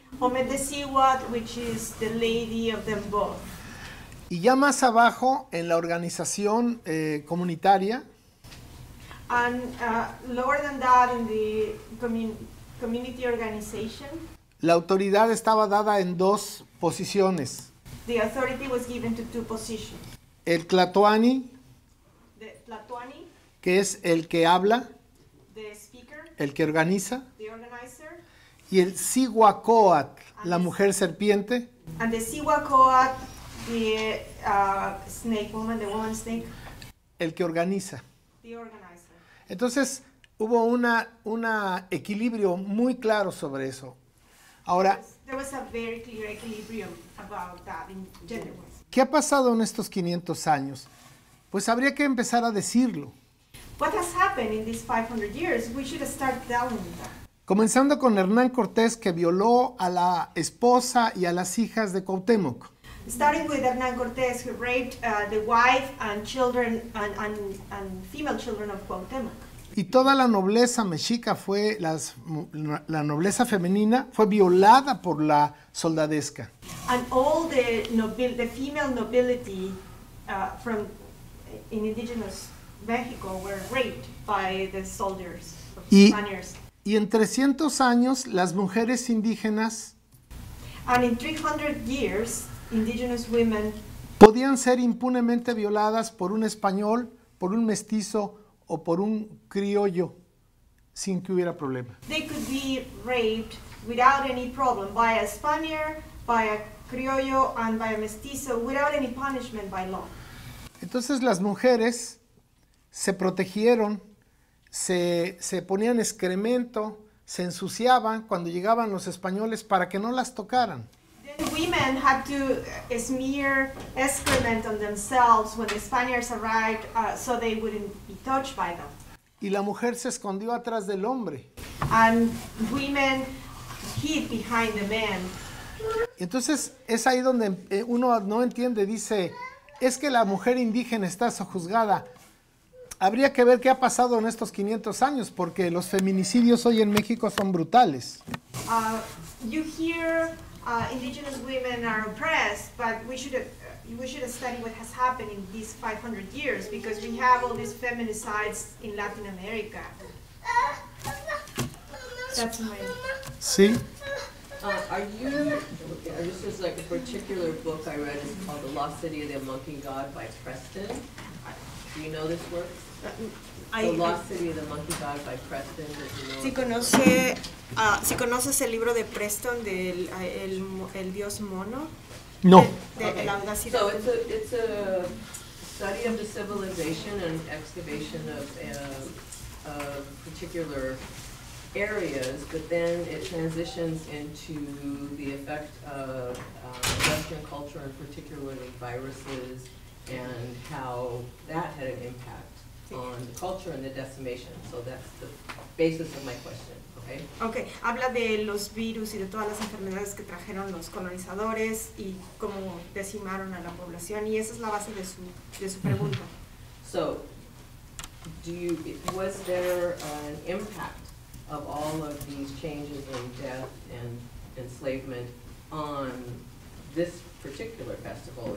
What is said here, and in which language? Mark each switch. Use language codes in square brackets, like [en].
[en] Ometeciwat, which is the lady of them both. [es] Y ya más abajo, en la organización comunitaria. [en] And lower than that, in the community organization. [es] La autoridad estaba dada en dos posiciones. [en] The authority was given to two positions. [es] El Tlatoani. [en] The Tlatoani. [es] Que es el que habla, [en] the speaker, [es] el que organiza, [en] the organizer, [es] y el Cihuacóatl, la mujer serpiente, [en] and the Cihuacóatl, the snake woman, the woman snake, [es] el que organiza, [en] the organizer. [es] Entonces hubo una equilibrio muy claro sobre eso. Ahora, [en] there was a very clear equilibrium about that in gender. [es] ¿Qué ha pasado en estos 500 años? Pues habría que empezar a decirlo. [en] What has happened in these 500 years? We should start telling that. [es] Comenzando con Hernán Cortés, que violó a la esposa y a las hijas de Cuauhtémoc. [en] Starting with Hernán Cortés, who raped the wife and children and female children of Cuauhtémoc. [es] Y toda la nobleza mexica fue la nobleza femenina fue violada por la soldadesca. [en] And all the the female nobility from in indigenous Mexico were raped by the soldiers, the Spaniards. [es] Y en 300 años las mujeres indígenas, [en] and in 300 years indigenous women [es] podían ser impunemente violadas por un español, por un mestizo o por un criollo sin que hubiera problema. [en] They could be raped without any problem by a Spaniard, by a criollo and by a mestizo without any punishment by law. [es] Entonces las mujeres se protegieron, se ponían excremento, se ensuciaban cuando llegaban los españoles para que no las tocaran. [en] Then women had to smear excrement on themselves when the Spaniards arrived so they wouldn't be touched by them. [es] Y la mujer se escondió atrás del hombre. [en] And women hid behind the man. [es] Entonces es ahí donde uno no entiende, dice, es que la mujer indígena está sojuzgada. Habría que ver qué ha pasado en estos 500 años, porque los feminicidios hoy en México son brutales. [en] You hear indigenous women are oppressed, but we should study what has happened in these 500 years, because we have all these feminicides in Latin America. That's my... [es] Sí. [en] This is like a particular book I read. It's called The Lost City of the Monkey God by Preston. Do you know this work? The Lost City of the Monkey God by Preston. [es] ¿Si conoces el libro de Preston del el dios mono? No. [en] So it's a study of the civilization and excavation of particular areas, but then it transitions into the effect of Western culture, and particularly viruses, and how that had an impact on the culture and the decimation. So that's the basis of my question. [es] Okay, habla de los virus y de todas las enfermedades que trajeron los colonizadores y cómo decimaron a la población, y esa es la base de su pregunta. [en] So, was there an impact of all of these changes in death and enslavement on this particular festival?